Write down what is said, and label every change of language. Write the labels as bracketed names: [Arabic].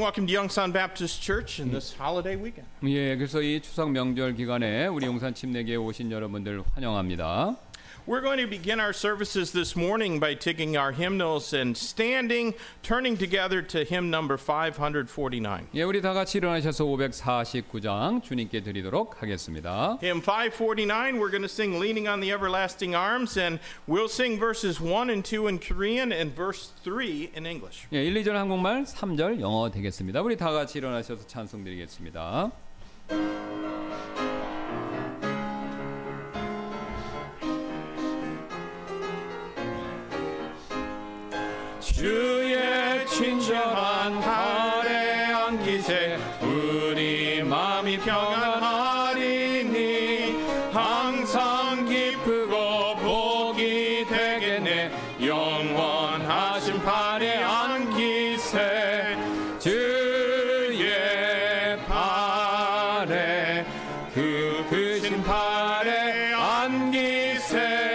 [English] Welcome to Yongsan Baptist Church in this holiday weekend. [Korean] 예, 그래서 이 추석 명절 기간에 우리 용산 침례교회에 오신 여러분들 환영합니다. [English] We're going to begin our services this morning by taking our hymnals and standing, turning together to hymn number 549. [Korean] 예, 우리 다 같이 일어나셔서 549장 주님께 드리도록 하겠습니다. [English] Hymn 549, we're going to sing Leaning on the Everlasting Arms, and we'll sing verses 1 and 2 in Korean and verse 3 in English. [Korean] 예, 1, 2절 한국말, 3절 영어 되겠습니다. 우리 다 같이 일어나셔서 찬송 드리겠습니다. 주의 친절한 팔에 안기세 우리 마음이 평안하리니 항상 기쁘고 복이 되겠네 영원하신 팔에 안기세 주의 팔에 그으신 팔에 안기세